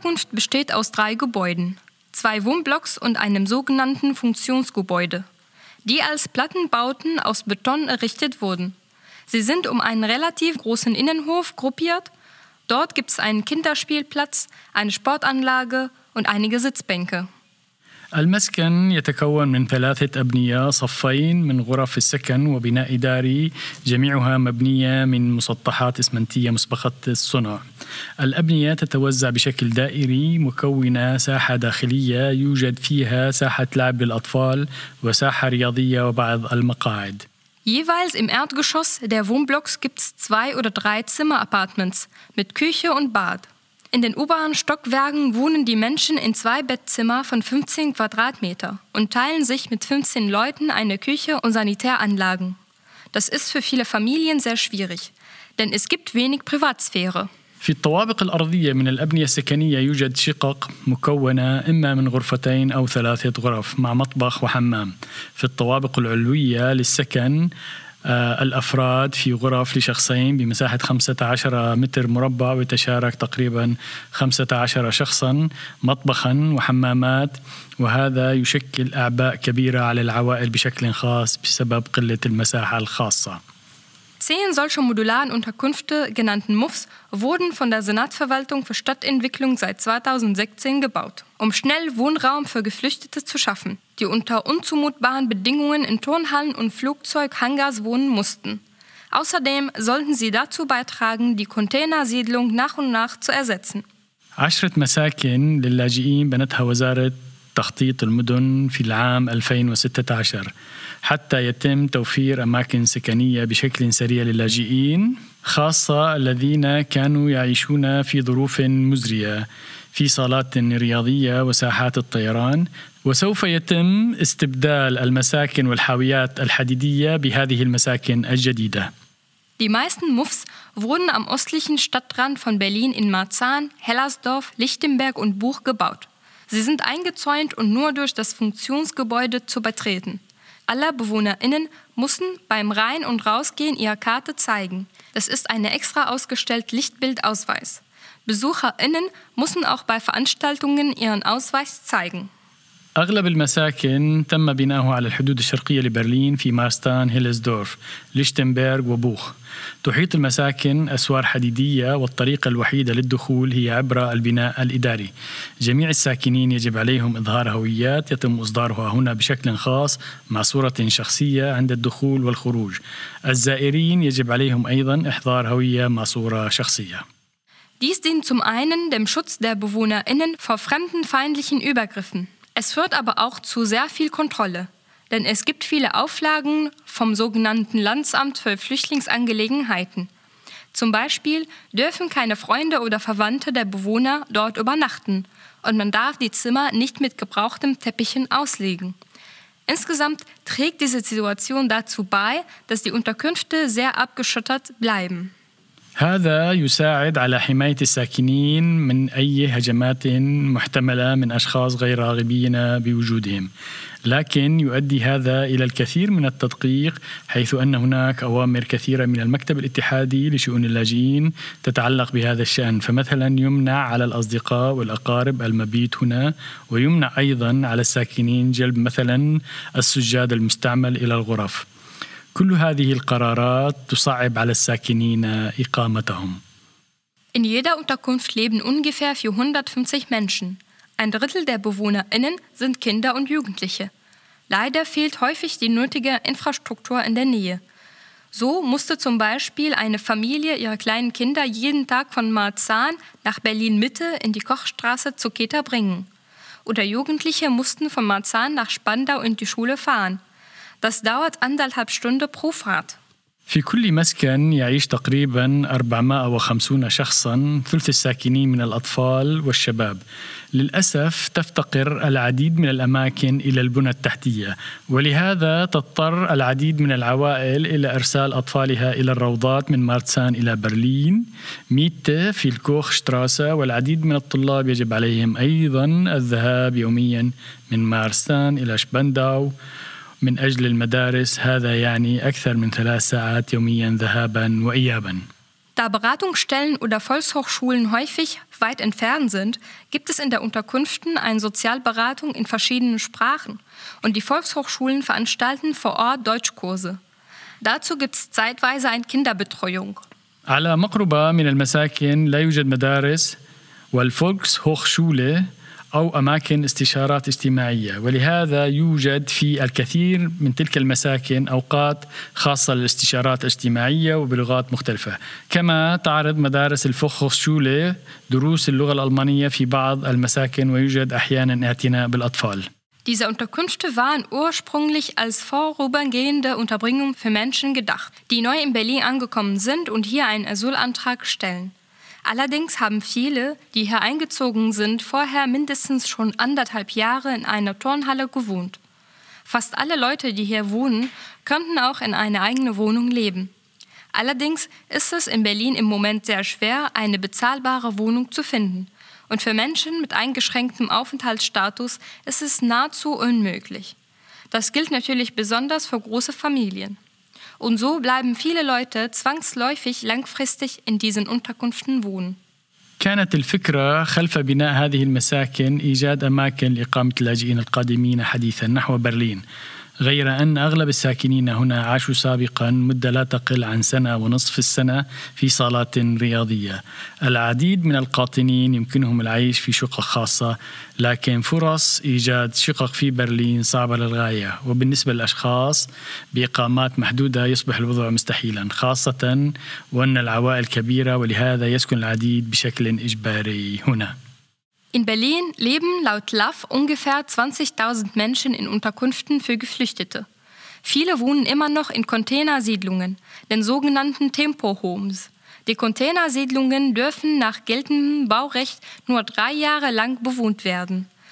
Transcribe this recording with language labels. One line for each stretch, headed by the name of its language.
German: Besteht aus drei Gebäuden, zwei Wohnblocks und einem sogenannten Funktionsgebäude, die als Plattenbauten aus Beton errichtet wurden. Sie sind um einen relativ großen Innenhof gruppiert. Dort gibt es einen Kinderspielplatz, eine Sportanlage und einige Sitzbänke.
Arabic: المسكن يتكون من ثلاثة أبنية صفين من غرف السكن وبناء إداري جميعها مبنية من مسطحات إسمنتية مسبقة الصنع. الأبنية تتوزع بشكل دائري مكونة ساحة داخلية يوجد فيها ساحة لعب للأطفال وساحة رياضية وبعض المقاعد.
German: Jeweils im Erdgeschoss der Wohnblocks gibt es zwei oder drei Zimmerapartments mit Küche und Bad. In den oberen Stockwerken wohnen die Menschen in zwei Bettzimmer von 15 Quadratmeter und teilen sich mit 15 Leuten eine Küche und Sanitäranlagen. Das ist für viele Familien sehr schwierig, denn es gibt wenig Privatsphäre.
Arabic: في الطوابق الأرضية من الأبنية السكنية يوجد شقق مكونة إما من غرفتين أو ثلاثة غرف مع مطبخ وحمام. في الطوابق العلوية للسكن الأفراد في غرف لشخصين بمساحة 15 متر مربع وتشارك تقريبا 15 شخصا مطبخا وحمامات وهذا يشكل أعباء كبيرة على العوائل بشكل خاص بسبب قلة المساحة الخاصة.
German: 10 solche modularen Unterkünfte, genannten MUFs, wurden von der Senatsverwaltung für Stadtentwicklung seit 2016 gebaut, um schnell Wohnraum für Geflüchtete zu schaffen, die unter unzumutbaren Bedingungen in Turnhallen und Flugzeughangars wohnen mussten. Außerdem sollten sie dazu beitragen, die Containersiedlung nach und nach zu ersetzen.
Arabic: 10 مساكن للاجئين بنتها وزارة تخطيط المدن في العام 2016 حتى يتم توفير أماكن سكنية بشكل سريع للاجئين خاصة الذين كانوا يعيشون في ظروف مزرية في صالات رياضية وساحات الطيران وسوف يتم استبدال المساكن والحاويات الحديدية بهذه المساكن الجديدة.
German: Die meisten Muffs wurden am östlichen Stadtrand von Berlin in Marzahn, Hellersdorf, Lichtenberg und Buch gebaut. Sie sind eingezäunt und nur durch das Funktionsgebäude zu betreten. Alle BewohnerInnen müssen beim Rein- und Rausgehen ihre Karte zeigen. Das ist eine extra ausgestellte Lichtbildausweis. BesucherInnen müssen auch bei Veranstaltungen ihren Ausweis zeigen.
Arabic: أغلب المساكن تم بناؤها على الحدود الشرقية لبرلين في مارستان، هيلسدورف، ليشتنبرغ وبوخ. تحيط المساكن أسوار حديدية والطريقة الوحيدة للدخول هي عبر البناء الإداري. جميع الساكنين يجب عليهم إظهار هويات يتم إصدارها هنا بشكل خاص مع صورة شخصية عند الدخول والخروج. الزائرين يجب عليهم أيضا إحضار هوية مع صورة شخصية.
German: Dies dient zum einen dem Schutz der BewohnerInnen vor fremden feindlichen Übergriffen. Es führt aber auch zu sehr viel Kontrolle, denn es gibt viele Auflagen vom sogenannten Landesamt für Flüchtlingsangelegenheiten. Zum Beispiel dürfen keine Freunde oder Verwandte der Bewohner dort übernachten und man darf die Zimmer nicht mit gebrauchtem Teppichen auslegen. Insgesamt trägt diese Situation dazu bei, dass die Unterkünfte sehr abgeschottet bleiben.
Arabic: هذا يساعد على حماية الساكنين من أي هجمات محتملة من أشخاص غير راغبين بوجودهم لكن يؤدي هذا إلى الكثير من التدقيق حيث أن هناك أوامر كثيرة من المكتب الاتحادي لشؤون اللاجئين تتعلق بهذا الشأن فمثلا يمنع على الأصدقاء والأقارب المبيت هنا ويمنع أيضا على الساكنين جلب مثلا السجاد المستعمل إلى الغرف كل هذه القرارات تصعب على الساكنين إقامتهم.
German: In jeder Unterkunft leben ungefähr 450 Menschen. Ein Drittel der BewohnerInnen sind Kinder und Jugendliche. Leider fehlt häufig die nötige Infrastruktur in der Nähe. So musste zum Beispiel eine Familie ihre kleinen Kinder jeden Tag von Marzahn nach Berlin-Mitte in die Kochstraße zu Keter bringen. Oder Jugendliche mussten von Marzahn nach Spandau in die Schule fahren. Das dauert anderthalb Stunden pro Fahrt.
Arabic: في كل مسكن يعيش تقريبا 450 شخصا ثلث الساكنين من الأطفال والشباب للأسف تفتقر العديد من الأماكن إلى البنى التحتية ولهذا تضطر العديد من العوائل إلى إرسال أطفالها إلى الروضات من مارتسان إلى برلين ميتة في الكوخ شتراسة والعديد من الطلاب يجب عليهم أيضا الذهاب يوميا من مارتسان إلى شبانداو من أجل المدارس هذا يعني أكثر من ثلاث ساعات يومياً ذهاباً وإياباً.
German: Da Beratungsstellen oder Volkshochschulen häufig weit entfernt sind, gibt es in der Unterkünften eine Sozialberatung in verschiedenen Sprachen und die Volkshochschulen veranstalten vor Ort Deutschkurse. Dazu gibt es zeitweise eine Kinderbetreuung.
Arabic: على مقربة من المساكن لا يوجد مدارس والفولكسهوخشولة أو أماكن استشارات اجتماعية ولهذا يوجد في الكثير من تلك المساكن أوقات خاصة للاستشارات الاجتماعية وبلغات مختلفة كما تعرض مدارس الفوخوشولة دروس اللغة الألمانية في بعض المساكن ويوجد أحيانا اعتناء بالأطفال
German: Diese Unterkünfte waren ursprünglich als vorübergehende Unterbringung für Menschen gedacht, die neu in Berlin angekommen sind und hier einen Asylantrag stellen. Allerdings haben viele, die hier eingezogen sind, vorher mindestens schon anderthalb Jahre in einer Turnhalle gewohnt. Fast alle Leute, die hier wohnen, könnten auch in eine eigene Wohnung leben. Allerdings ist es in Berlin im Moment sehr schwer, eine bezahlbare Wohnung zu finden. Und für Menschen mit eingeschränktem Aufenthaltsstatus ist es nahezu unmöglich. Das gilt natürlich besonders für große Familien. Und so bleiben viele Leute zwangsläufig langfristig in diesen Unterkünften wohnen.
Arabic: كانت الفكرة خلف بناء هذه المساكن إيجاد أماكن لإقامة اللاجئين القادمين حديثا نحو برلين. غير أن أغلب الساكنين هنا عاشوا سابقا مدة لا تقل عن سنة ونصف السنة في صالات رياضية. العديد من القاطنين يمكنهم العيش في شقق خاصة لكن فرص إيجاد شقق في برلين صعبة للغاية وبالنسبة للأشخاص بإقامات محدودة يصبح الوضع مستحيلا خاصة وأن العوائل كبيرة ولهذا يسكن العديد بشكل إجباري هنا.
German: In Berlin leben laut LAV ungefähr 20.000 Menschen in Unterkünften für Geflüchtete. Viele wohnen immer noch in Containersiedlungen, den sogenannten Tempo-Homes. Die Containersiedlungen dürfen nach geltendem Baurecht nur 3 Jahre lang bewohnt werden.